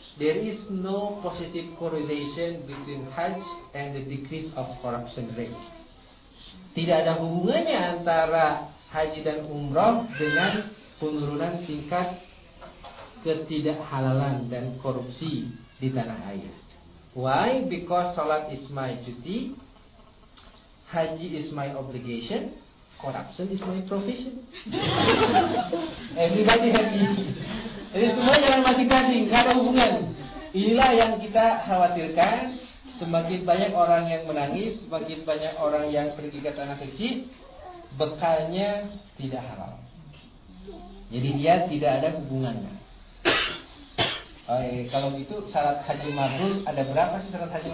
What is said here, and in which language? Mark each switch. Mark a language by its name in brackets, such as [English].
[English] There is no positive correlation between Hajj and the decrease of corruption rate. [Indonesian] Tidak ada hubungannya antara haji dan umroh dengan penurunan tingkat ketidakhalalan dan korupsi di tanah air. [English] Why? Because salat is my duty, haji is my obligation, corruption is my profession. Everybody happy. [Indonesian] Jadi semua jangan masing-masing, tidak ada hubungan. Inilah yang kita khawatirkan. Semakin banyak orang yang menangis, semakin banyak orang yang pergi ke tanah suci, bekalnya tidak halal. Jadi dia tidak ada hubungannya. Oke, kalau gitu syarat haji mabrur ada berapa sih syarat haji?